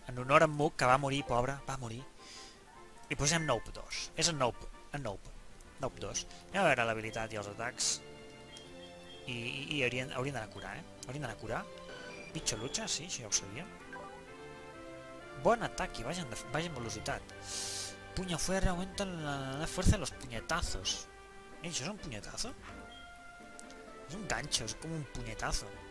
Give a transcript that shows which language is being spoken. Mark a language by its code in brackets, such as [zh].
[ca] En honor a Mook, que va morir, pobre, va morir. I posem Nope 2. És el Nope. El Nope. Nope 2. Anem a veure l'habilitat i els atacs. I haurien d'anar a curar, eh? Haurien d'anar a curar. Bicho Lucha, sí, això ja ho sabíem. Bon atac i vaja en velocitat. [es] Puño fuerte aumenta la fuerza de los puñetazos. [ca] Això és un puñetazo? És un gancho, és com un puñetazo.